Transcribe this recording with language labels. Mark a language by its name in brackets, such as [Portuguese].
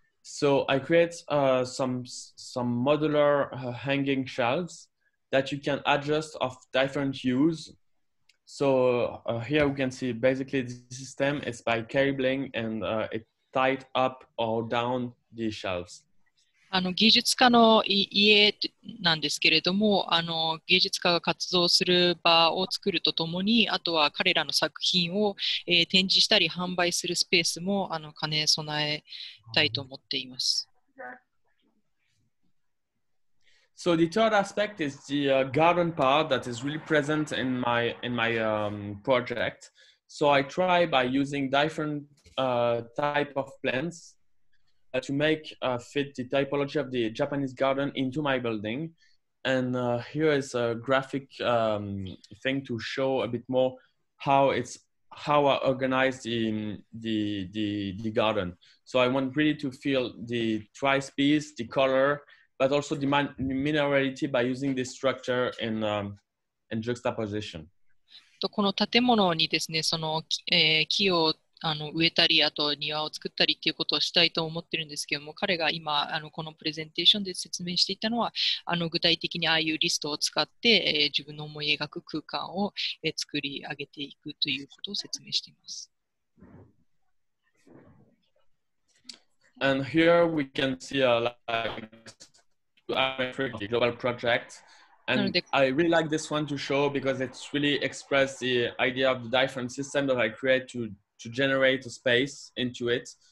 [English] So I create some modular hanging shelves that you can adjust of different use. So here we can see basically the system is by cabling and it tied up or down the shelves. [Japanese] 技術家の家なんですけれども、芸術家が活動する場を作るとともに、あとは彼らの作品を、展示したり販売するスペースも兼ね備えたいと思っています。 [English] So the third aspect is the garden part that is really present in my project. So I try by using different type of plants to make fit the typology of the Japanese garden into my building. And here is a graphic thing to show a bit more how I organize the garden. So I want really to feel the tri-species, the color, but also the minerality by using this structure in juxtaposition. [Japanese] この建物にですね、その木を植えたり、あと庭を作ったりっていうことをしたいと思ってるんですけども、彼が今このプレゼンテーションで説明していたのは、具体的にああいうリストを使って、自分の思い描く空間を作り上げていくということを説明しています。 [English] And here we can see the global project, and I really like this one to show because it's really expressed the idea of the different system that I create to generate a space into it